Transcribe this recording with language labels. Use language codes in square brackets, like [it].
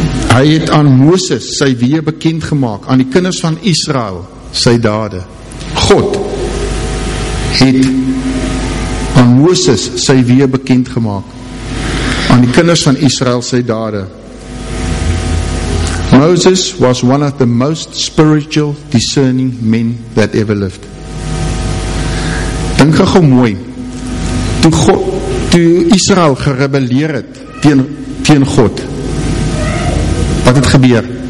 [af] Hy het aan Moses sy weë bekend gemaak, aan die kinders van Israel, sy dade. God het aan Moses sy weë bekend gemaak, aan die kinders van Israel sy dade. [en] Moses was one of the most spiritual discerning men that ever lived. [af] Dink gou mooi, toe God, toe Israel gerebelleer het teen God, wat het gebeur?